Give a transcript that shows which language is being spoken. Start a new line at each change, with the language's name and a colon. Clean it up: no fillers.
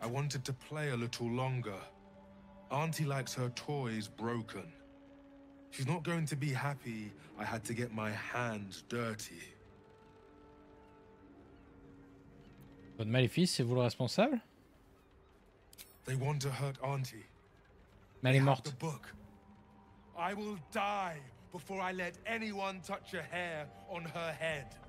English: I wanted to play a little longer. Auntie likes her toys broken. She's not going to be happy. I had to get my hands dirty.
French: Votre maléfice, c'est vous le responsable?
English: They want to hurt Auntie.
French: Mais elle est morte.
English: The book. I will die before I let anyone touch a hair on her head.